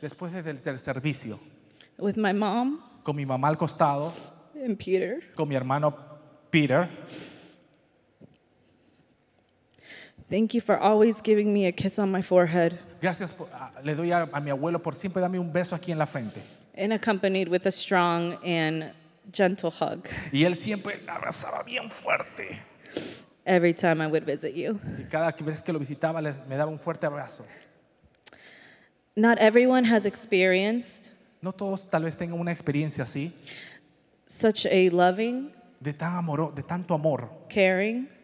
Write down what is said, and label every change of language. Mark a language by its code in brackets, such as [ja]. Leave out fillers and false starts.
[es] Después del servicio. [en] With my mom. [es] Con mi mamá al costado. [en] And Peter. [es] Con mi hermano Peter. [en] Thank you for always giving me a kiss on my forehead. [es] Gracias por, le doy a mi abuelo por siempre darme un beso aquí en la frente. [en] And accompanied with a strong and gentle hug. [es] Y él siempre me abrazaba bien fuerte. [en] Every time I would visit you. [es] Y cada vez que lo visitaba me daba un fuerte abrazo. [en] Not everyone has experienced. [es] No todos tal vez tengan una experiencia así. [en] Such a loving. [es] De tan amor, de tanto amor. [en] Caring.